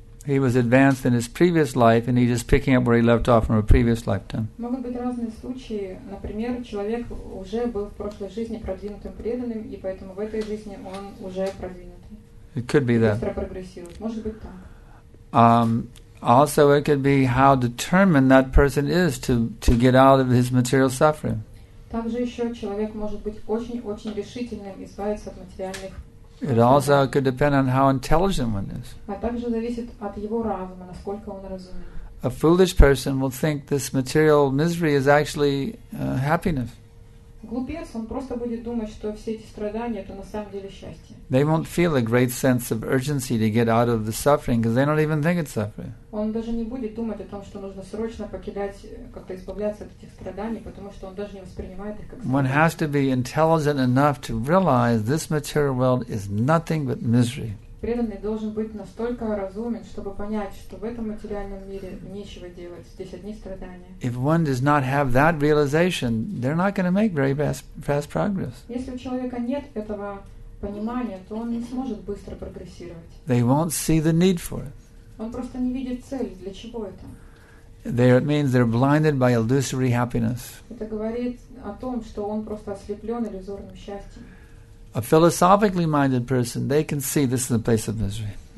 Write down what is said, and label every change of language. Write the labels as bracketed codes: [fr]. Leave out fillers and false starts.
[en] He was advanced in his previous life and he's just picking up where he left off from a previous lifetime. [ru] Могут быть разные случаи. Например, человек уже был в прошлой жизни продвинутым преданным, и поэтому в этой жизни он уже продвинутый. [en] It could be that. [ru] Быстро прогрессирует. Может быть так. [en] Also it could be how determined that person is to get out of his material suffering. [ru] Также еще человек может быть очень-очень решительным избавиться от материальных. [en] It also could depend on how intelligent one is. [ru] А также зависит от его разума, насколько он разумен. [en] A foolish person will think this material misery is actually happiness. [ru] Глупец, он просто будет думать, что все эти страдания это на самом деле счастье. [en] They won't feel a great sense of urgency to get out of the suffering because they don't even think it's suffering. [ru] Он даже не будет думать о том, что нужно срочно покидать, как-то избавляться от этих страданий, потому что он даже не воспринимает их как страдания. [en] One has to be intelligent enough to realize this material world is nothing but misery. [ru] Преданный должен быть настолько разумен, чтобы понять, что в этом материальном мире нечего делать, здесь одни страдания. [en] If one does not have that realization, they're not going to make very fast progress. [ru] Если у человека нет этого понимания, то он не сможет быстро прогрессировать. [en] They won't see the need for it. [ru] Он просто не видит цели, для чего это. [en] There it means they're blinded by illusory happiness. [ru] Это говорит о том, что он просто ослеплен иллюзорным счастьем. [en] A philosophically minded person, they can see this is a place of misery.